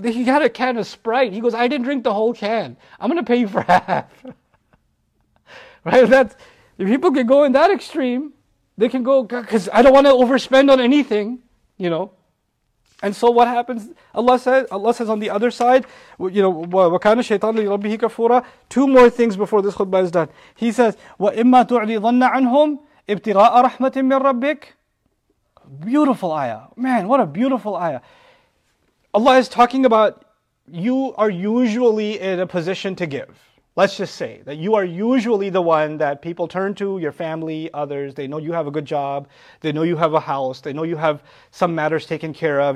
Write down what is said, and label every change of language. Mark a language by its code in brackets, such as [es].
[en] He had a can of Sprite. He goes, I didn't drink the whole can. I'm going to pay you for half. Right? If people can go in that extreme, they can go, because I don't want to overspend on anything, you know. And so what happens? Allah says on the other side, you know, [ar] وَكَانَ الشَّيْطَانُ لِرَبِّهِ كَفُورًا. [en] Two more things before this khutbah is done. He says, [ar] وَإِمَّا تُعْرِضَنَّ عَنْهُمْ ابْتِغَاءَ رَحْمَةٍ مِّن رَبِّكَ. [en] Beautiful ayah. Man, what a beautiful ayah. Allah is talking about, you are usually in a position to give. Let's just say that you are usually the one that people turn to, your family, others. They know you have a good job. They know you have a house. They know you have some matters taken care of.